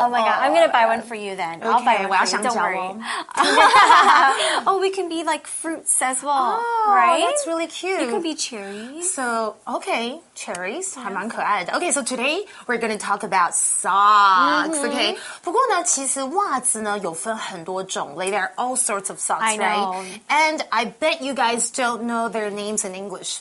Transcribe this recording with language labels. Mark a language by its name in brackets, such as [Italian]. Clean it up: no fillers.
[English] Oh my god, I'm going to buy one for you then. Okay, I'll buy one for you, don't worry. Oh, we can be like fruits as well, oh, right? That's really cute. You can be cherries. So, okay, cherries, [Chinese] 还蛮可爱的。 [English] Okay, so today we're going to talk about socks, mm-hmm. okay? [Chinese] 不过呢，其实袜子呢有分很多种类。 [English] There are all sorts of socks, I know. Right? And I bet you guys don't know their names in English.